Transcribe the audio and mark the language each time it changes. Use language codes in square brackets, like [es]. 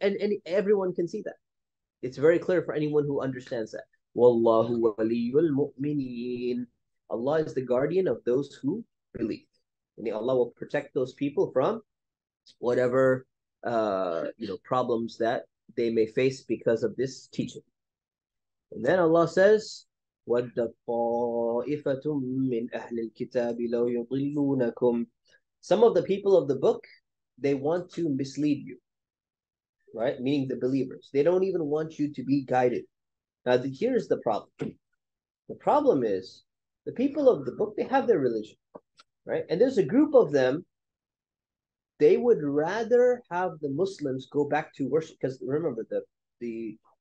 [en] And everyone can see that. It's very clear for anyone who understands that. [ar] Wallahu waliyul mu'mineen. [en] Allah is the guardian of those who believe. And Allah will protect those people from whatever problems that they may face because of this teaching. And then Allah says, [ar] وَدَّ طَائِفَةٌ مِّنْ أَهْلِ الْكِتَابِ لَوْ يُضِلُّونَكُمْ. [en] Some of the people of the book, they want to mislead you, right? Meaning the believers. They don't even want you to be guided. Now, here's the problem. The problem is, the people of the book, they have their religion, right? And there's a group of them, they would rather have the Muslims go back to worship. Because remember, the